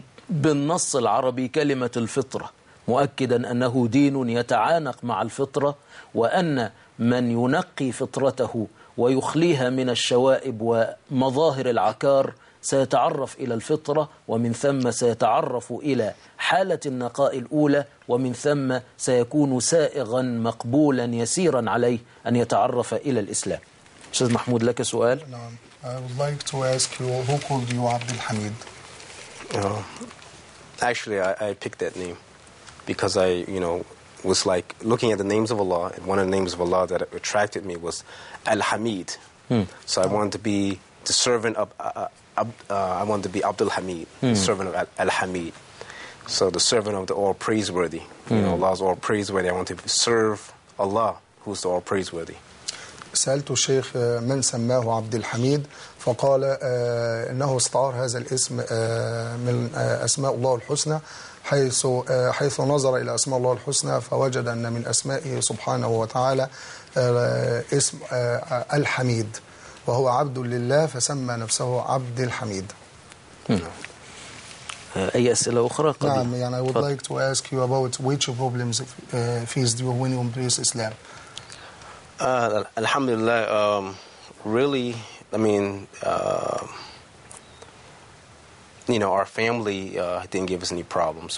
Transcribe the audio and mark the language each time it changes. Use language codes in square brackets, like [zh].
[ar] بالنص العربي كلمة الفطرة مؤكدا أنه دين يتعانق مع الفطرة، وأن من ينقي فطرته ويخليها من الشوائب ومظاهر العكار سيتعرف إلى الفطرة، ومن ثم سيتعرف إلى حالة النقاء الأولى، ومن ثم سيكون سائغا مقبولا يسيرا عليه أن يتعرف إلى الإسلام. أستاذ محمود لك سؤال. نعم. [en] I would like to ask you, who called you عبد الحميد? Actually, I picked that name because I, you know, was like looking at the names of Allah, and one of the names of Allah that attracted me was Al-Hamid. So I wanted to be the servant of, I wanted to be Abdul Hamid, the servant of Al-Hamid. So the servant of the all-praiseworthy. You know, Allah's all-praiseworthy. I want to serve Allah, who's the all-praiseworthy. [ar] سألت الشيخ من سماه عبد الحميد فقال إنه استعار هذا الاسم من أسماء الله الحسنى، حيث نظر إلى أسماء الله الحسنى فوجد أن من أسمائه سبحانه وتعالى اسم الحميد، وهو عبد لله فسمى نفسه عبد الحميد. أي أسئلة أخرى؟ نعم يعني [en] I would like to ask you about which problems faced you when you embraced Islam. [ar] الحمد لله. [en] Really, I mean, you know, our family didn't give us any problems.